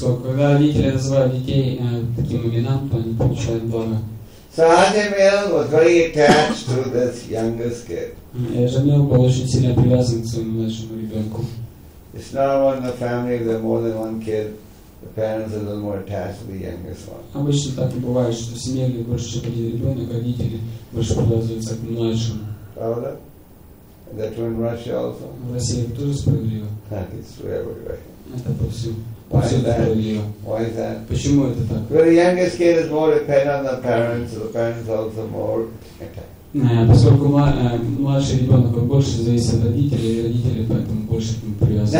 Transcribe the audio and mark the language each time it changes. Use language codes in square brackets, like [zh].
[ru] So когда родители называют детей таким именам, то они получают благо. [en] So Ajmer was very attached to this youngest kid. [ru] Ajmer был очень сильно привязан к своему младшему ребенку. [en] It's normal in the family if there's more than one kid, the parents are a little more attached to the youngest one. [ru] Обычно так и бывает, что в семье где больше, чем один ребенок, родители больше привязываются к младшему. Правда? [en] That were in Russia also. Russia too is prevalent. That is everywhere. Why is that? [ru] Почему это так? [en] Well, the youngest kid is more dependent on the parents, so the parents also more attached. [ru] Поскольку младший ребенок больше зависит от родителей, и родители поэтому больше к нему привязаны.